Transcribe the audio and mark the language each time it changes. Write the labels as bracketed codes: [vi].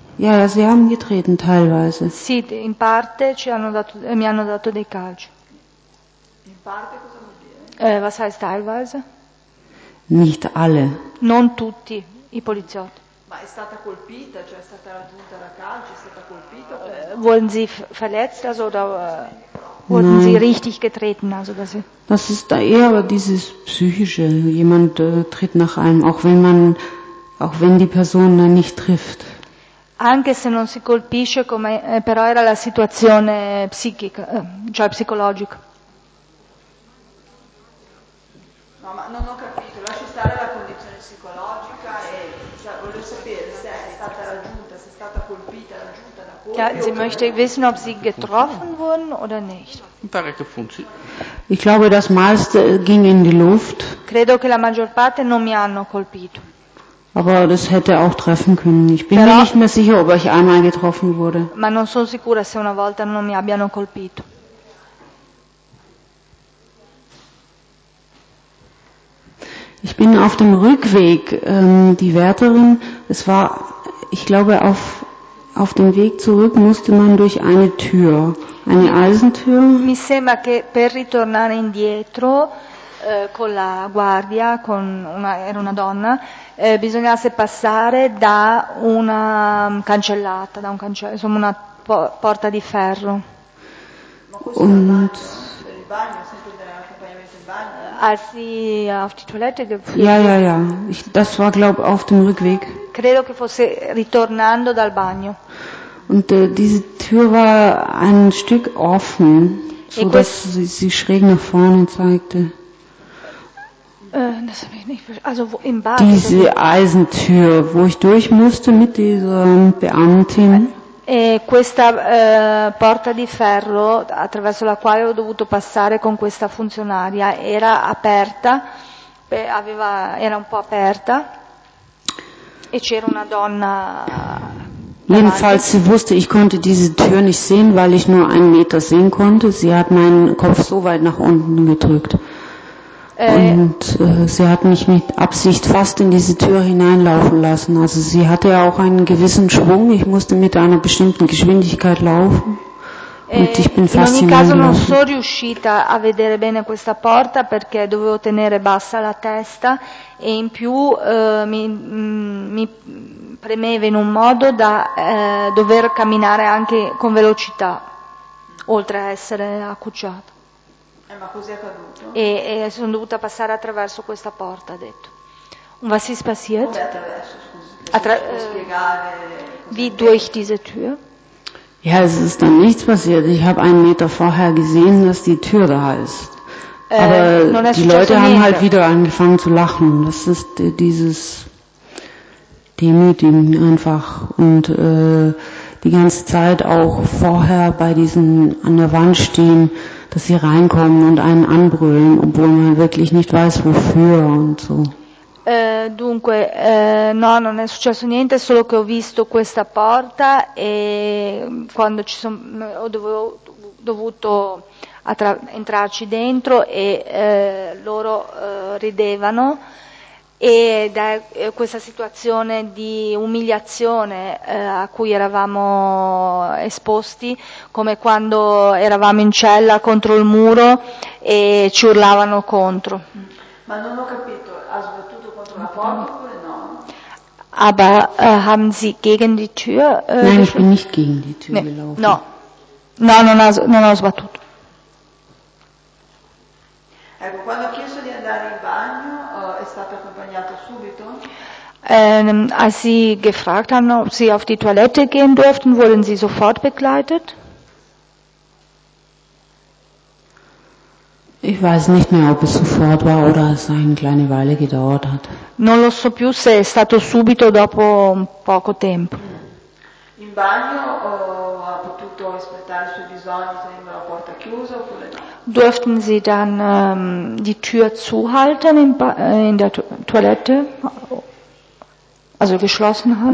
[de] Ja, sie haben getreten teilweise. [it] Sì, in parte mi hanno dato dei calci. In parte cosa vuol dire? [de] Was heißt teilweise? Nicht alle. [it] Non tutti i poliziotti. Ma è stata colpita, cioè è stata raggiunta da calci, è stata colpita? [de] Wurden sie verletzt, also oder wurden Nein. sie richtig getreten, also dass sie? Das ist da eher dieses psychische. Jemand tritt nach einem, auch wenn die Person dann nicht trifft. [it] Anche se non si colpisce, come però era la situazione psichica, cioè psicologica. No, ma non ho capito, lasci stare la condizione psicologica e cioè, voglio sapere se è stata raggiunta, se è stata colpita, raggiunta da colpi. [de] Ja, sie möchte wissen, ob sie getroffen wurden oder nicht. Ich glaube, das meiste ging in die Luft. [it] Credo che la maggior parte non mi hanno colpito. [de] Aber das hätte auch treffen können. Ich bin mir nicht mehr sicher, ob ich einmal getroffen wurde. [it] Ma non sono sicura se una volta non mi abbiano colpito. [de] Ich bin auf dem Rückweg, die Wärterin, es war, ich glaube, auf dem Weg zurück musste man durch eine Tür, eine Eisentür. [it] Mi sembra che per ritornare indietro con la guardia, era una donna, bisognasse passare da una cancellata, da un cancello, insomma una porta di ferro. [de] Und als sie auf die Toilette geflogen sind. Ja. Das war, glaube ich, auf dem Rückweg. [it] Credo che fosse ritornando dal bagno. [de] Und diese Tür war ein Stück offen, sodass sie schräg nach vorne zeigte. das habe ich nicht verstanden. Also wo, im Bad. Diese Eisentür, wo ich durch musste mit dieser Beamtin. [it] Questa porta di ferro attraverso la quale ho dovuto passare con questa funzionaria era aperta, era un po' aperta e c'era una donna. [de] Jedenfalls, sie wusste, ich konnte diese Tür nicht sehen, weil ich nur einen Meter sehen konnte. Sie hat meinen Kopf so weit nach unten gedrückt. Und sie hat mich mit Absicht fast in diese Tür hineinlaufen lassen. Also sie hatte ja auch einen gewissen Schwung. Ich musste mit einer bestimmten Geschwindigkeit laufen. Und ich bin fast hineingelaufen. [it] In ogni caso non sono riuscita a vedere bene questa porta perché dovevo tenere bassa la testa e in più mi premeva in un modo da dover camminare anche con velocità, oltre a essere accucciata. Ma così è accaduto? E sono dovuta passare attraverso questa porta, ha detto. [de] Un was ist passiert? [it] Come attraverso, scusi. [de] Wie durch diese Tür? Ja, es ist dann nichts passiert. Ich habe einen Meter vorher gesehen, dass die Tür da ist. Aber die Leute haben halt wieder angefangen zu lachen. Das ist dieses Demütigen einfach. Und die ganze Zeit auch vorher bei diesen an der Wand stehen, dass sie reinkommen und einen anbrüllen, obwohl man wirklich nicht weiß, wofür und so. [it] No, non è successo niente, solo che ho visto questa porta e quando ci sono, ho dovuto entrarci dentro e loro ridevano ed è questa situazione di umiliazione a cui eravamo esposti, come quando eravamo in cella contro il muro e ci urlavano contro. Ma non ho capito, ha sbattuto contro la porta oppure no? [de] Aber haben Sie gegen die Tür? Nein, ich bin nicht gegen die Tür gelaufen. [it] No, non ho sbattuto. Ecco, quando ho chiesto di andare in bagno, è stato accompagnato subito? [de] Als Sie gefragt haben, ob Sie auf die Toilette gehen durften, wurden Sie sofort begleitet? Ich weiß nicht mehr, ob es sofort war oder es eine kleine Weile gedauert hat. [it] Non lo so più se è stato subito dopo poco tempo. In bagno ha potuto aspettare i suoi bisogni tenendo la porta chiusa oppure no? [de] Durften Sie dann die Tür zuhalten in der Toilette? Also geschlossen haben?